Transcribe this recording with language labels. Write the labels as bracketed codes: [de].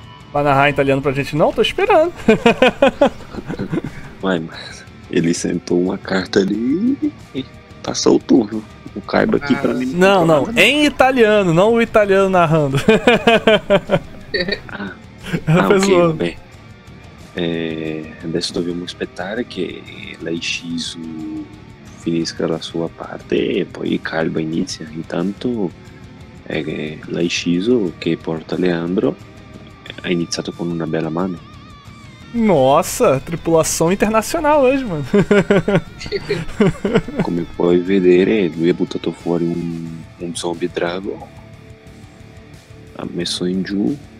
[pt] Vai narrar em italiano pra gente? Não, tô esperando. Vai, mas ele sentou uma carta ali e passou o turno. O Kaiba aqui pra mim. Não, não, não. Em italiano, não o italiano narrando. Ah, ah, ok, bem. [it] É, adesso dobbiamo aspettare che lei Shizu finisca la sua parte e poi Kaiba inizia. Intanto è lei Shizu che porta Leandro, ha iniziato con una bella mano. [pt] Nossa, tripulação internacional hoje, mano. [it] Come puoi vedere, lui ha buttato fuori un zombie dragon, ha messo in giù.